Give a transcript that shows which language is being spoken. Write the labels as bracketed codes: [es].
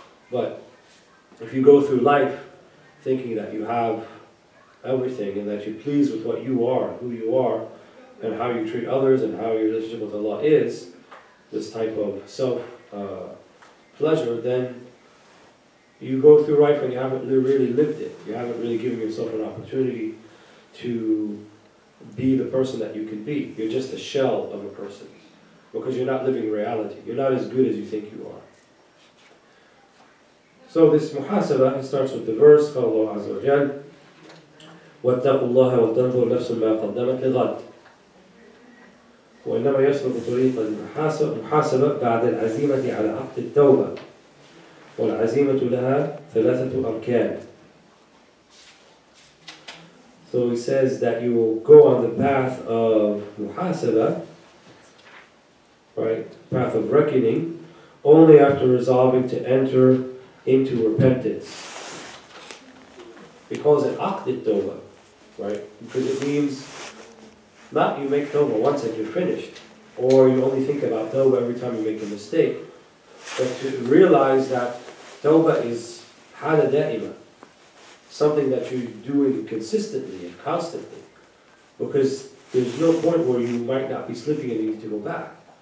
[en] But if you go through life thinking that you have everything, and that you're pleased with what you are, who you are, and how you treat others, and how your relationship with Allah is, this type of self-pleasure, then you go through life and you haven't really lived it. You haven't really given yourself an opportunity to be the person that you can be. You're just a shell of a person, because you're not living reality. You're not as good as you think you are. So this muhasaba, it starts with the verse, [ar] قال الله عز وجل, وَاتَّقُوا اللَّهَ وَتَنْظُرْ نَفْسٌ مَا قَدَّمَتْ لِغَدٍ. وإنما يسلك طريق المحاسبة بعد العزيمة على عقد التوبة والعزيمة لها ثلاثة أركان. [en] So he says that you will go on the path of muhasaba, right, path of reckoning, only after resolving to enter into repentance. He calls it aqdit tawbah, right? Because it means not you make tawbah once and you're finished, or you only think about tawbah every time you make a mistake, but to realize that tawbah is hala da'ima, something that you're doing consistently and constantly, because there's no point where you might not be slipping and you need to go back.